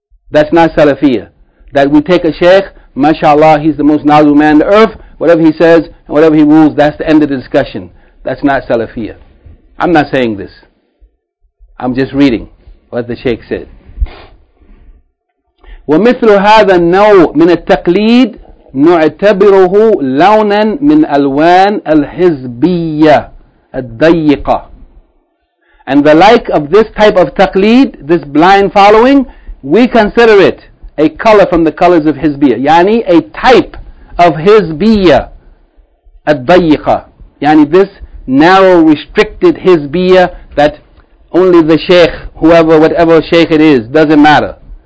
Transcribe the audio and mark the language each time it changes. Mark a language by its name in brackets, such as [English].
[English] That's not salafiyya. That we take a sheikh, mashallah, he's the most knowledgeable man on the earth, whatever he says and whatever he rules, that's the end of the discussion. That's not salafiyya. I'm not saying this. I'm just reading what the Shaykh said. [Arabic] ومثل هذا النوع من التقليد نعتبره لونا من ألوان الحزبية الضيقة. [English] And the like of this type of taqleed, this blind following, we consider it a color from the colors of Hizbiyah. Yani a type of Hizbiyah al-dayiqa. Yani this narrow, restricted Hizbiyah that only the Shaykh, whoever, whatever Shaykh it is, doesn't matter.